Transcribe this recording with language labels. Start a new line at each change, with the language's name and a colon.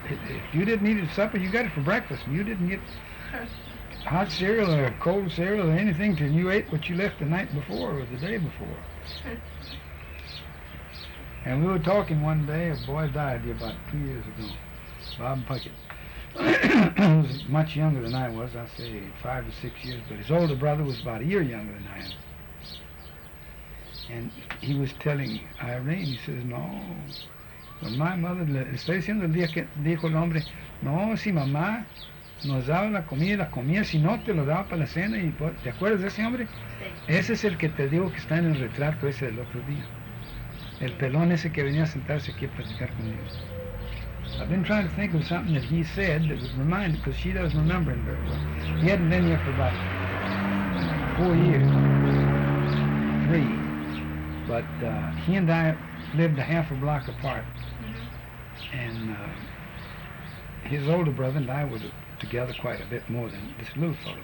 English: if you didn't eat it at supper, you got it for breakfast. And you didn't get hot cereal or cold cereal or anything till you ate what you left the night before or the day before. And we were talking one day, a boy died here about 2 years ago, Bob Puckett. He was much younger than I was, I'd say 5 or 6 years, but his older brother was about a year younger than I am. And he was telling Irene, he says, no, when my mother,
Spanish: le estoy diciendo el día que dijo el hombre, no, si mamá nos daba la comida, si no te lo daba para la cena, y, ¿te acuerdas de ese hombre? Sí. Ese es el que te digo que está en el retrato ese del otro día. El pelón ese que venía a sentarse aquí a platicar conmigo.
English: I've been trying to think of something that he said that would remind, because she doesn't remember him very well. He hadn't been here for about 4 years, three. But he and I lived a half a block apart. Mm-hmm. And his older brother and I were together quite a bit more than this little fellow.